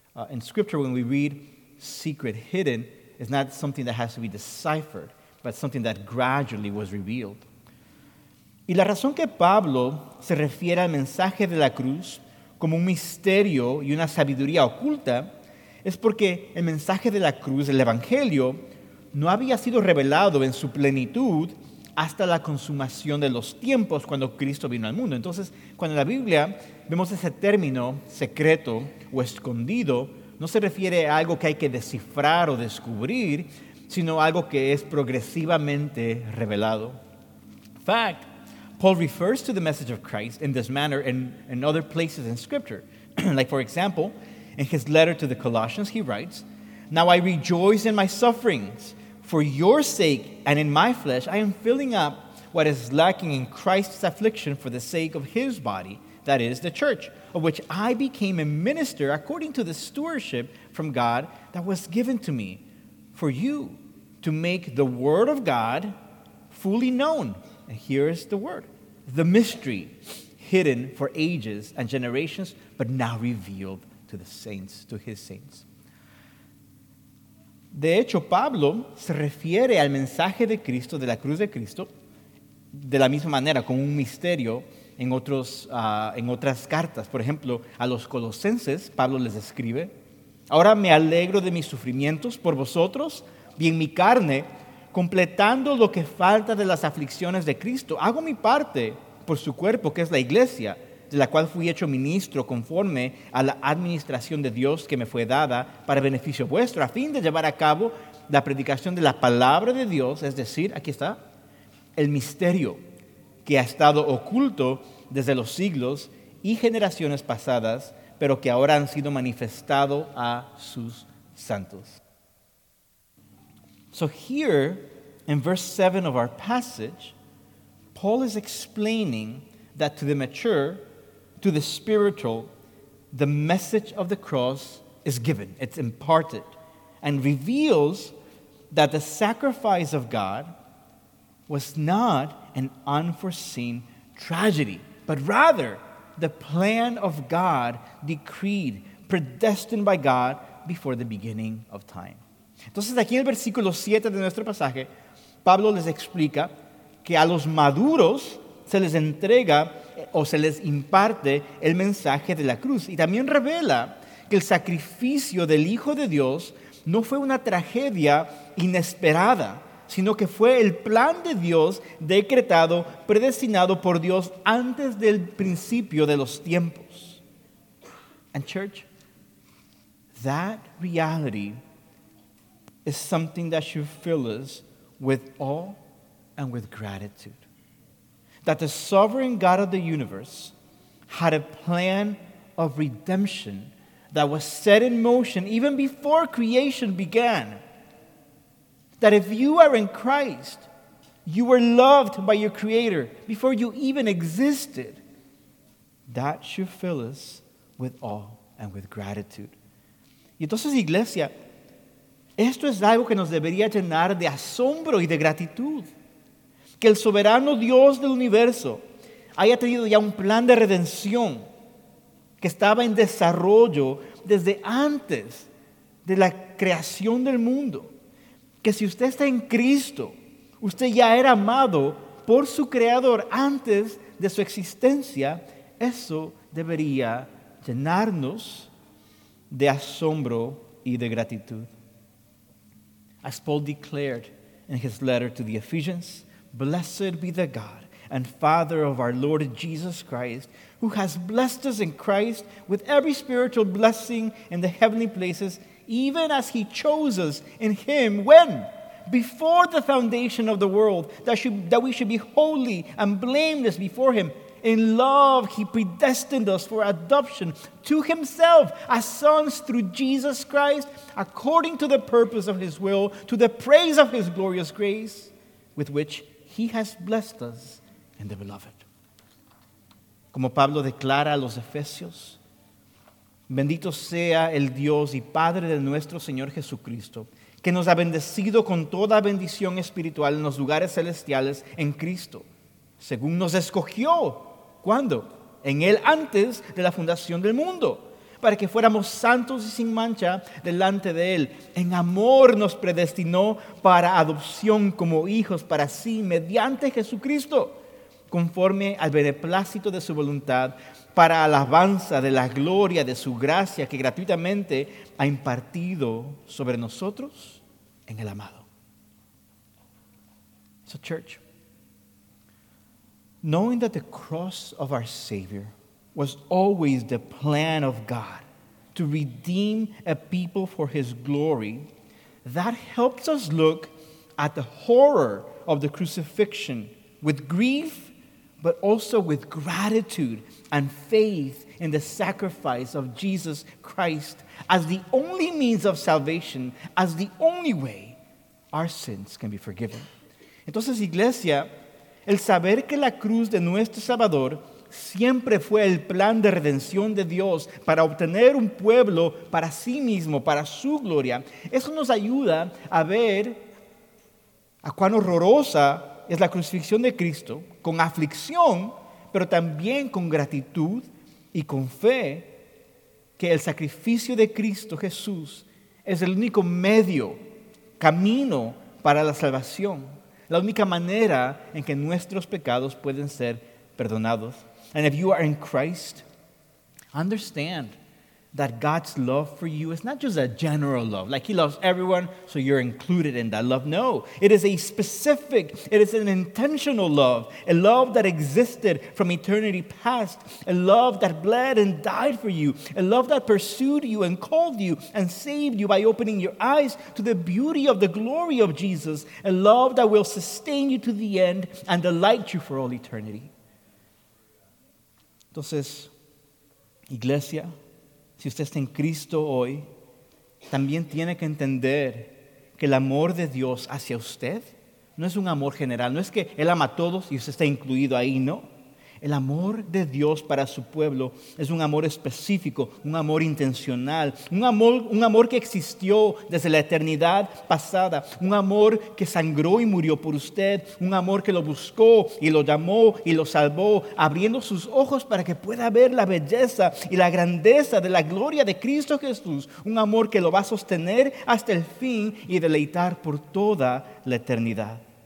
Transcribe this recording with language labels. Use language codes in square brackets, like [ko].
[en] In Scripture, when we read secret hidden, it's not something that has to be deciphered, but something that gradually was revealed. [es] Y la razón que Pablo se refiere al mensaje de la cruz como un misterio y una sabiduría oculta es porque el mensaje de la cruz, el Evangelio, no había sido revelado en su plenitud hasta la consumación de los tiempos cuando Cristo vino al mundo. Entonces, cuando en la Biblia vemos ese término secreto o escondido, no se refiere a algo que hay que descifrar o descubrir, sino algo que es progresivamente revelado. [en] In fact, Paul refers to the message of Christ in this manner in other places in Scripture. Like, for example, in his letter to the Colossians, he writes, "Now I rejoice in my sufferings for your sake, and in my flesh I am filling up what is lacking in Christ's affliction for the sake of his body, that is, the church, of which I became a minister according to the stewardship from God that was given to me for you to make the word of God fully known." And here is the word. "The mystery hidden for ages and generations, but now revealed to the saints," to his saints. [es] De hecho, Pablo se refiere al mensaje de Cristo, de la cruz de Cristo, de la misma manera, como un misterio, en otras cartas. Por ejemplo, a los colosenses, Pablo les escribe, "Ahora me alegro de mis sufrimientos por vosotros, y en mi carne, completando lo que falta de las aflicciones de Cristo, hago mi parte por su cuerpo, que es la iglesia, de la cual fui hecho ministro conforme a la administración de Dios que me fue dada para beneficio vuestro, a fin de llevar a cabo la predicación de la palabra de Dios," es decir, aquí está, "el misterio que ha estado oculto desde los siglos y generaciones pasadas, pero que ahora han sido manifestado a sus santos." [en] So here, in verse 7 of our passage, Paul is explaining that to the mature, to the spiritual, the message of the cross is given, it's imparted, and reveals that the sacrifice of God was not an unforeseen tragedy, but rather the plan of God decreed, predestined by God before the beginning of time. [es] Entonces, aquí en el versículo 7 de nuestro pasaje, Pablo les explica que a los maduros se les entrega o se les imparte el mensaje de la cruz. Y también revela que el sacrificio del Hijo de Dios no fue una tragedia inesperada, sino que fue el plan de Dios decretado, predestinado por Dios antes del principio de los tiempos. [en] And church, that reality is something that should fill us with awe and with gratitude. That the sovereign God of the universe had a plan of redemption that was set in motion even before creation began. That if you are in Christ, you were loved by your Creator before you even existed. That should fill us with awe and with gratitude. [es] Y entonces, iglesia, esto es algo que nos debería llenar de asombro y de gratitud. Que el soberano Dios del universo haya tenido ya un plan de redención que estaba en desarrollo desde antes de la creación del mundo. Que si usted está en Cristo, usted ya era amado por su Creador antes de su existencia. Eso debería llenarnos de asombro y de gratitud. [en] As Paul declared in his letter to the Ephesians, "Blessed be the God and Father of our Lord Jesus Christ, who has blessed us in Christ with every spiritual blessing in the heavenly places, even as he chose us in him," when? "Before the foundation of the world, that we should be holy and blameless before him. In love, he predestined us for adoption to himself as sons through Jesus Christ, according to the purpose of his will, to the praise of his glorious grace, with which he has blessed us in the beloved." [es] Como Pablo declara a los Efesios, "Bendito sea el Dios y Padre de nuestro Señor Jesucristo, que nos ha bendecido con toda bendición espiritual en los lugares celestiales en Cristo, según nos escogió. ¿Cuándo? En Él antes de la fundación del mundo, para que fuéramos santos y sin mancha delante de Él. En amor nos predestinó para adopción como hijos para sí, mediante Jesucristo, conforme al beneplácito de su voluntad, para alabanza de la gloria de su gracia que gratuitamente ha impartido sobre nosotros en el amado. [en] So, church, knowing that the cross of our Savior was always the plan of God to redeem a people for His glory, that helps us look at the horror of the crucifixion with grief, but also with gratitude and faith in the sacrifice of Jesus Christ as the only means of salvation, as the only way our sins can be forgiven. [es] Entonces, iglesia, el saber que la cruz de nuestro Salvador siempre fue el plan de redención de Dios para obtener un pueblo para sí mismo, para su gloria, eso nos ayuda a ver a cuán horrorosa es la crucifixión de Cristo, con aflicción, pero también con gratitud y con fe, que el sacrificio de Cristo Jesús es el único medio, camino para la salvación, la única manera en que nuestros pecados pueden ser perdonados. [en] And if you are in Christ, understand that God's love for you is not just a general love, like He loves everyone, so you're included in that love. No, it is a specific, it is an intentional love, a love that existed from eternity past, a love that bled and died for you, a love that pursued you and called you and saved you by opening your eyes to the beauty of the glory of Jesus, a love that will sustain you to the end and delight you for all eternity. [es] Entonces, iglesia, si usted está en Cristo hoy, también tiene que entender que el amor de Dios hacia usted no es un amor general. No es que Él ama a todos y usted está incluido ahí, no. El amor de Dios para su pueblo es un amor específico, un amor intencional, un amor que existió desde la eternidad pasada, un amor que sangró y murió por usted, un amor que lo buscó y lo llamó y lo salvó, abriendo sus ojos para que pueda ver la belleza y la grandeza de la gloria de Cristo Jesús, un amor que lo va a sostener hasta el fin y deleitar por toda la eternidad.